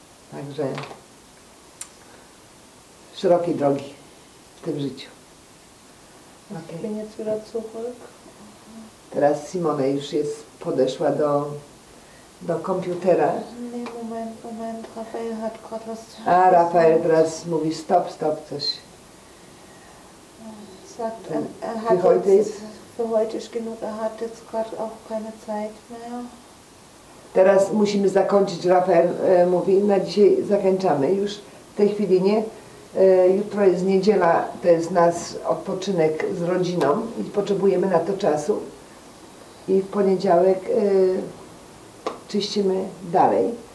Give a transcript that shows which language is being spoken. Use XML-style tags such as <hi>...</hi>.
<pl>Także szerokiej drogi w tym życiu. Okay. Teraz Simone już jest, podeszła do komputera. Nie, moment,</pl> <de>Rafael hat gerade was.</de> <pl>A Rafael teraz mówi stop, coś.</pl> <de>Sagt, er hat heute jetzt, für heute ist genug, er hat jetzt gerade auch keine Zeit mehr.</de> <pl>Teraz musimy zakończyć, Rafael mówi, na dzisiaj zakończamy już, w tej chwili nie. Jutro jest niedziela, to jest nasz odpoczynek z rodziną i potrzebujemy na to czasu. I w poniedziałek czyścimy dalej.</pl>